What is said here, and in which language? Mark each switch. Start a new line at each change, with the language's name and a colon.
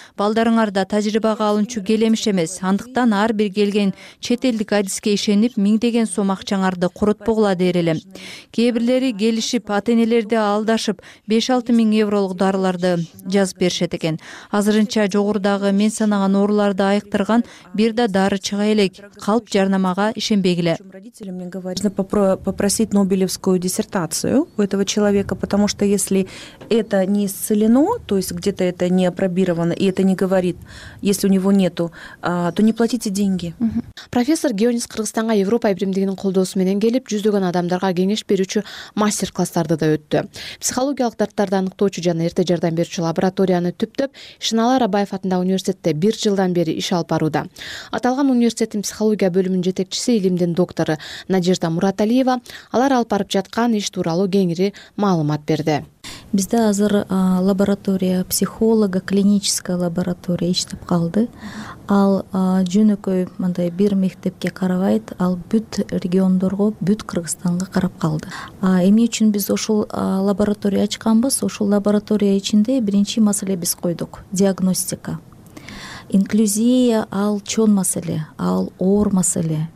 Kyrgyz: Балдарыңарда тажрыйбага алынчу келемиш эмес. Андыктан ар бир келген чет элдик адиске ишенип, миңдеген сом акчаңарды коротпогула дер элем. Кээ бирлери келишип, ата-энелерди алдашып, 5-6 миң евролук дарыларды жазып беришет экен. Азырынча жогорудагы мен санаган ооруларды айыктырган бир да дары чыга элек. Калп жарнамага ишенбегиле.
Russian: Попросить Нобелевскую диссертацию у этого человека, потому что если это не исцелено, то есть где-то это не апробировано и это не говорит, если у него нету, то не платите деньги.
Kyrgyz: Профессор Гионис Кыргызстанга Европа ибримдигинин колдоосу менен келип, жүздөгөн адамдарга кеңеш берүүчү мастер-класстарды да өттү. Психологиялык дарттарды аныктоочу жана эрте жардам берүүчү лабораторияны түптөп, Шинала Арабаев атындагы университетте 1 жылдан бери иш алып барууда. Аталган университеттин психология бөлүмүнүн жетекчиси, илимдин доктору Надежда Муратәлиева алар алып барып жаткан иш тууралуу кеңири маалымат берди. Бизде азыр лаборатория
Russian: психолога, клиническая лаборатория
Kyrgyz: иштеп калды. Ал жөнөкөй мындай бир мектепке карабайт, ал бүт региондорго, бүт Кыргызстанга карап калды. Эмне үчүн биз ошол лабораторияны ачканбыз? Ошол лаборатория ичинде биринчи маселе биз койдук — диагностика. Инклюзия ал чоң маселе, ал оор маселе.